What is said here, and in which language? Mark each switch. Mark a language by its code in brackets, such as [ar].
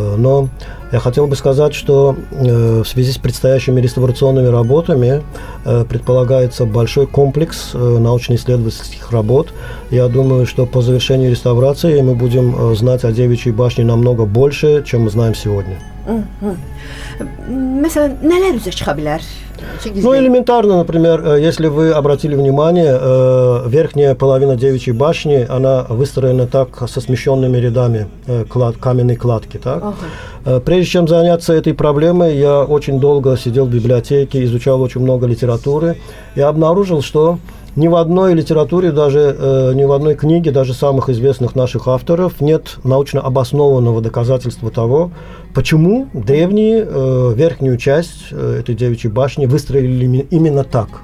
[ru] Но я хотел бы сказать, что в связи с предстоящими реставрационными работами предполагается большой комплекс научно-исследовательских работ. Я думаю, что по завершении реставрации мы будем знать о Девичьей башне намного больше, чем мы знаем сегодня. [az] Məsələn, nələr üzə çıxa bilər? [ru] Ну, элементарно, например, если вы обратили внимание, верхняя половина девичьей башни, она выстроена так, со смещенными рядами каменной кладки, так? Прежде чем заняться этой проблемой, я очень долго сидел в библиотеке, изучал очень много литературы и обнаружил, что ни в одной литературе, даже ни в одной книге, даже самых известных наших авторов, нет научно обоснованного доказательства того, почему древние верхнюю часть этой девичьей башни выстроили именно так.